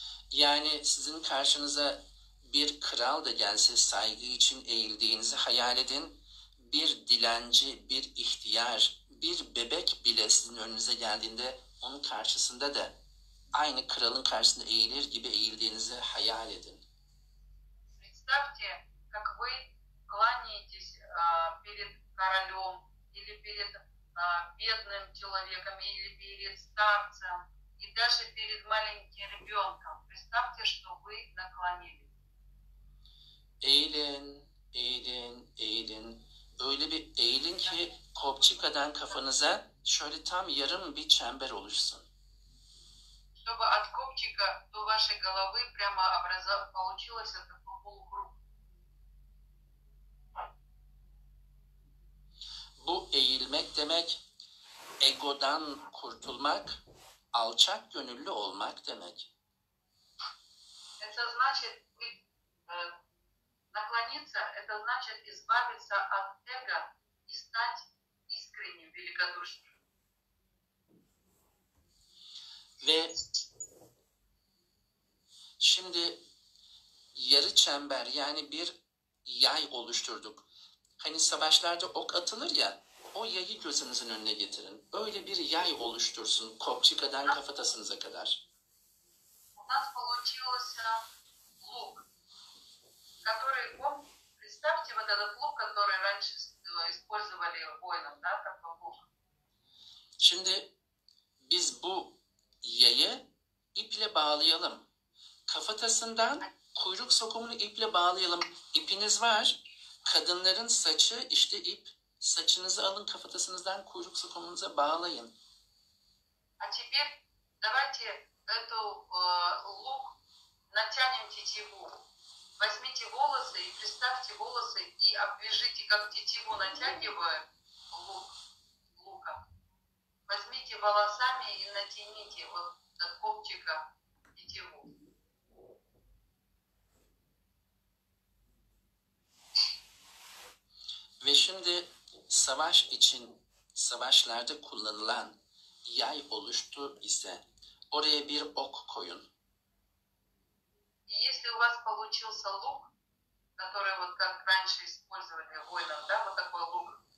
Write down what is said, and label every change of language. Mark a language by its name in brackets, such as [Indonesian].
[Turkish] Yani sizin karşınıza bir kral da gelse saygı için eğildiğinizi hayal edin. Bir dilenci, bir ihtiyar, bir bebek bile sizin önünüze geldiğinde onun karşısında da aynı kralın karşısında eğilir gibi eğildiğinizi hayal edin. [Russian] Представьте, как вы кланяетесь перед королем или перед бедным человеком или перед старцем и даже перед маленьким ребенком. Представьте, что вы наклонились. [Turkish] Eğilin, eğilin, eğilin. Öyle bir eğilin ki kopçıkadan kafanıza şöyle tam yarım bir çember oluşsun. [Russian] Чтобы от копчика до вашей головы прямо получилось это полукруг. [Turkish] Bu eğilmek demek egodan kurtulmak, alçak gönüllü olmak demek. [Russian] Это значит наклониться, это значит избавиться от эго и стать искренним, великодушным. [Turkish] Ve şimdi yarı çember yani bir yay oluşturduk. Hani savaşlarda ok atılır ya, o yayı gözünüzün önüne getirin. Öyle bir yay oluştursun kopçıkadan kafatasınıza kadar. [Russian] У нас получился лук, который, представьте вот этот лук, который раньше использовали воинам, да, такой лук. [Turkish] Şimdi biz bu yayı iple bağlayalım. Kafatasından kuyruk sokumunu iple bağlayalım. İpiniz var. Kadınların saçı işte ip. Saçınızı alın kafatasınızdan kuyruk sokumunuza bağlayın. [Russian] А теперь давайте эту лук натянем тетиву. Возьмите волосы и представьте волосы и обвяжите как тетиву натягиваем лук. Возьмите волосами и натяните вот от копчика тетиву. [Turkish] Ve şimdi savaş için savaşlarda kullanılan yay oluştu ise oraya bir ok koyun. [Russian] И если у вас получился лук, который вот как раньше использовали воинам, да, вот такой лук.